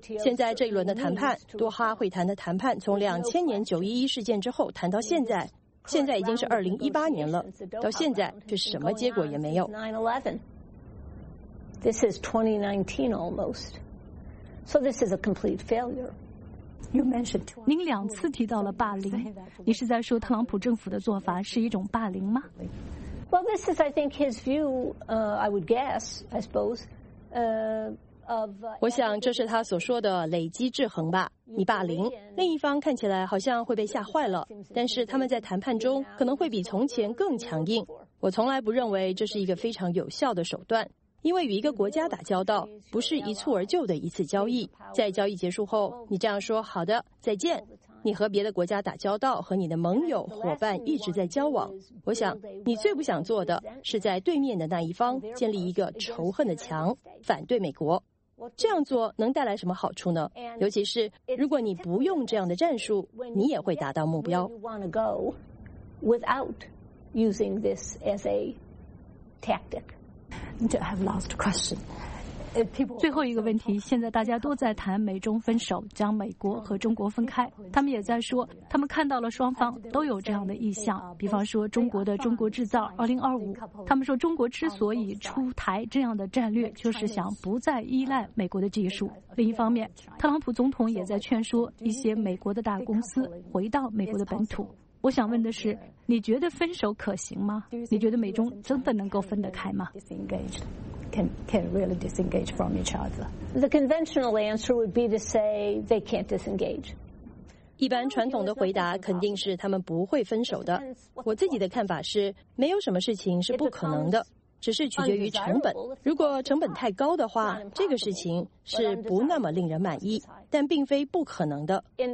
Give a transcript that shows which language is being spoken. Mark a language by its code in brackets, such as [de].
[zh] 现在这一轮的谈判，多哈会谈的谈判，从2000年911事件之后谈到现在，现在已经是2018年了，到现在却什么结果也没有。 [en] This is 2019 almost. So this is a complete failure. [zh] 您两次提到了霸凌，你是在说特朗普政府的做法是一种霸凌吗？ [en] Well, this is, I think, his view, I would guess, I suppose, of... [zh] 我想这是他所说的累积制衡吧。你霸凌，另一方看起来好像会被吓坏了，但是他们在谈判中可能会比从前更强硬。我从来不认为这是一个非常有效的手段。因为与一个国家打交道不是一蹴而就的一次交易，在交易结束后你这样说，好的，再见。你和别的国家打交道，和你的盟友伙伴一直在交往，我想你最不想做的是在对面的那一方建立一个仇恨的墙，反对美国。这样做能带来什么好处呢？尤其是如果你不用这样的战术，你也会达到目标。 [en] Without using this as a tacticI have last question. [zh] 最后一个问题，现在大家都在谈美中分手，将美国和中国分开。他们也在说，他们看到了双方都有这样的意向。比方说，中国的《中国制造2025》，他们说中国之所以出台这样的战略，就是想不再依赖美国的技术。另一方面，特朗普总统也在劝说一些美国的大公司回到美国的本土。我想问的是，你觉得分手可行吗？你觉得美中真的能够分得开吗？ [en] Can really disengage from each other? The conventional answer would be to say they can't disengage. [zh] 一般传统的回答肯定是他们不会分手的。我自己的看法是，没有什么事情是不可能的，只是取决于成本。如果成本太高的话，这个事情是不那么令人满意，但并非不可能的。